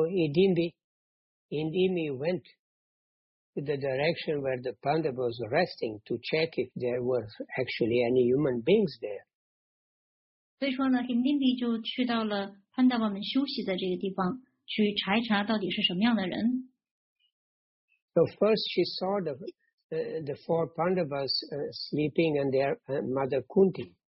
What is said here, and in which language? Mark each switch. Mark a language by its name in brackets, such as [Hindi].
[English] Indimi went to the direction where the panda was resting to check if there were actually any human beings there. [Chinese] 所以说呢，Indimi就去到了潘达巴们休息的这个地方，去查一查到底是什么样的人。 [English] So first she saw the four Pandavas sleeping and their mother Kunti.